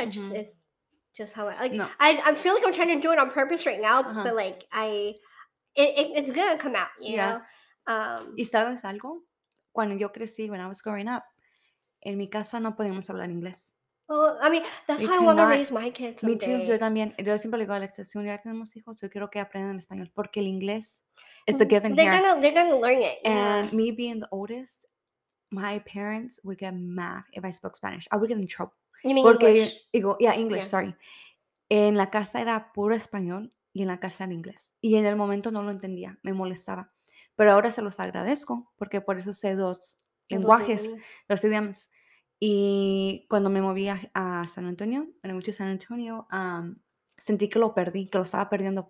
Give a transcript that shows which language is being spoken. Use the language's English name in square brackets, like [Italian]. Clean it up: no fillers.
[English] I just, it's just how I, like, I feel like I'm trying to do it on purpose right now, but like, it's gonna come out, you know? [Spanish] ¿Y sabes algo? Cuando yo crecí, [English] when I was growing up, [Spanish] en mi casa no podíamos hablar inglés. [English] Well, I mean, that's how I want to raise my kids. Me too, [Spanish] yo también. Yo siempre digo, Alexa, si un día tenemos hijos, yo quiero que aprendan español, porque el inglés [English] is a given here. They're gonna learn it. And me being the oldest, my parents would get mad if I spoke Spanish. I would get in trouble. You mean [Spanish] porque [English] English? English, sorry. [Spanish] En la casa era puro español y en la casa era inglés. Y en el momento no lo entendía, me molestaba. Pero ahora se los agradezco, porque por eso sé dos lenguajes, dos idiomas. Y cuando me moví a San Antonio, en el mucho San Antonio, sentí que lo perdí, que lo estaba perdiendo.